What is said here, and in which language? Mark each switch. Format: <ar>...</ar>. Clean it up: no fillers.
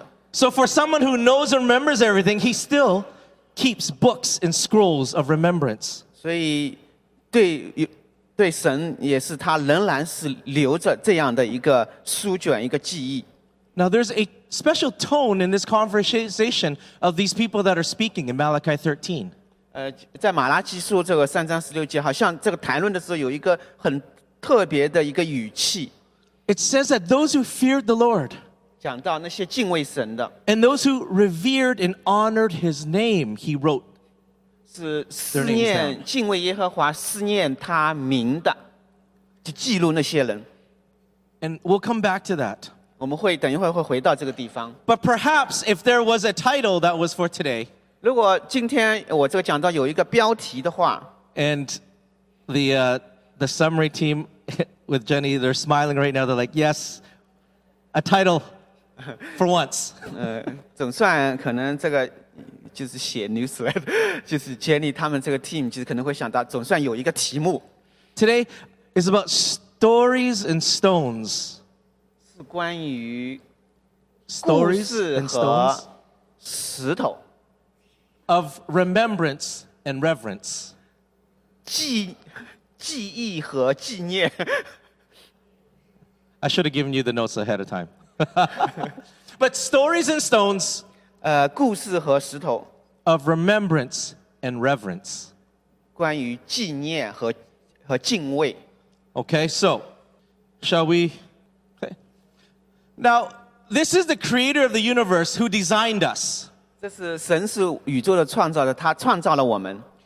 <en>So for someone who knows and remembers everything, he still keeps books and scrolls of remembrance.</en> <zh>所以对神也是他仍然是留着这样的一个书卷一个记忆。</zh> <en>Now there's a special tone in this conversation of these people that are speaking in Malachi 13.</en> <zh>在马拉基书这个3章16节, 好像这个谈论的时候有一个很特别的一个语气。</zh> <en>It says that those who feared the Lord,</en> <zh>讲到那些敬畏神的,</zh> <en>and those who revered and honored his name, he wrote their names down.</en> <zh>敬畏耶和华, 思念他名的, 记录那些人。</zh> <en>And we'll come back to that.</en> <zh>我们会等一会会回到这个地方。</zh> <en>But perhaps if there was a title that was for today,</en> <zh>如果今天我这个讲到有一个标题的话,</zh> <en>and the summary team with Jenny, they're smiling right now. They're like, yes, a title for once.</en> <zh>总算可能这个就是写 newsletter, 就是 Jenny他们这个team 就是可能会想到总算有一个题目。</zh> <en>Today is about stories and stones.</en> <zh>是关于</zh> <en>stories and stones.</en> <zh>石头。</zh> <en>Of remembrance and reverence.</en> <zh>记忆和纪念。</zh> <en>I should have given you the notes ahead of time. But stories and stones,</en> <zh>故事和石头,</zh> <en>of remembrance and reverence.</en> <zh>关于纪念和敬畏。</zh> <en>Okay, so, shall we? Okay. Now, this is the creator of the universe who designed us.</en> <zh>这是神是宇宙的创造者, 他创造了我们。</zh>